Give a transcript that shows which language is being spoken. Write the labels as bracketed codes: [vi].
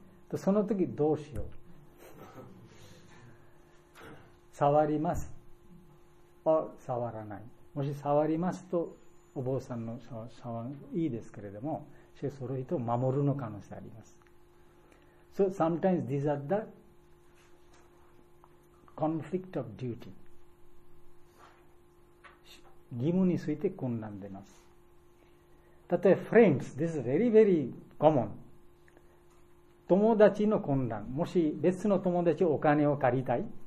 [ja] とその時どうしよう、触ります、触らない。もし触りますとお坊さんの触いいですけれども、しかしその人を守るの可能性あります。 [en] So sometimes these are the conflict of duty. [ja] 義務について困難でます。例えば [en] friends, this is very very common. [ja] 友達の困難。もし別の友達お金を借りたい。